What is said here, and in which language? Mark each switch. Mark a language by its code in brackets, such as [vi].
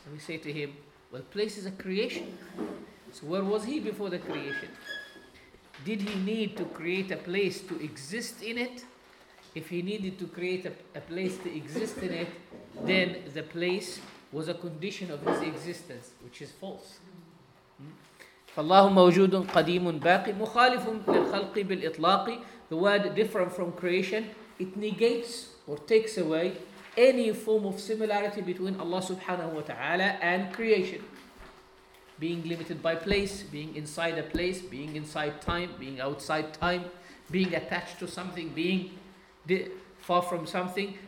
[en] And we say to him, well, place is a creation. So where was he before the creation? Did he need to create a place to exist in it? If he needed to create a place to exist in it, then the place was a condition of his existence, which is false. [ar] فالله موجود قديم باقي مخالف للخلق بالإطلاق. [en] The word different from creation, it negates or takes away any form of similarity between Allah subhanahu wa ta'ala and creation. Being limited by place, being inside a place, being inside time, being outside time, being attached to something, being far from something.